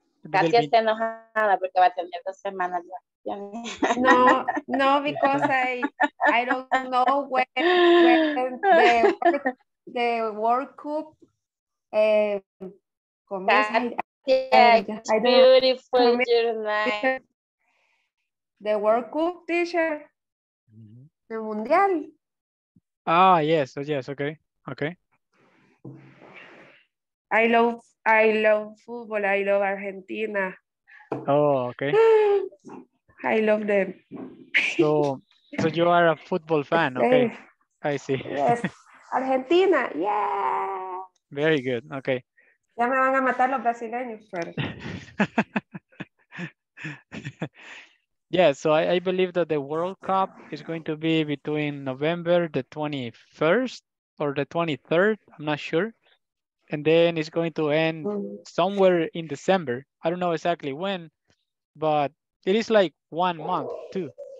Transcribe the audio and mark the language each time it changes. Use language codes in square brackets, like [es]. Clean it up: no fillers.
[es] Casi está enojada porque va a tener 2 semanas. [en] No, because I don't know when the World Cup commence. Yeah, beautiful journey. The World Cup, teacher. The Mundial. Ah, yes. Oh, yes. Okay. Okay. I love football. I love Argentina. Oh, okay. I love them. So you are a football fan, okay? I see. Yes. Argentina, yeah. Very good, okay. [es] Ya me van a matar los brasileños, pero. [en] Yeah, so I believe that the World Cup is going to be between November the 21st or the 23rd, I'm not sure. And then it's going to end somewhere in December. I don't know exactly when, but it is like 1 month too.